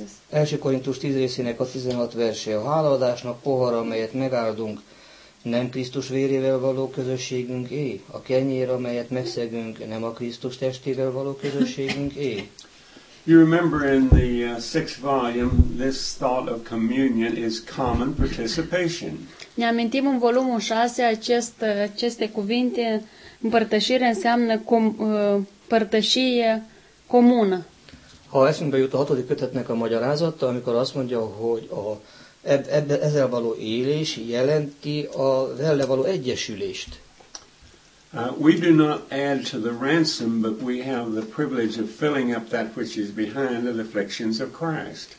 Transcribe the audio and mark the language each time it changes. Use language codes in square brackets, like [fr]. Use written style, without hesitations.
[hu] Első Korintus 10 részének a 16 verse. A hálaadásnak pohara, amelyet megáldunk, nem Krisztus vérével való közösségünk é? A kenyér, amelyet megszegünk, nem a Krisztus testével való közösségünk é? [en] You remember in the sixth volume, this thought of communion is common participation. [ro] Ne amintim în volumul 6 aceste cuvinte, împărtășire înseamnă părtășie comună. [hu] Ha eszünkbe jut a hatodik kötetnek a magyarázata, amikor azt mondja, hogy ezzel való élés jelenti a vele való egyesülést. [en] We do not add to the ransom, but we have the privilege of filling up that which is behind the afflictions of Christ.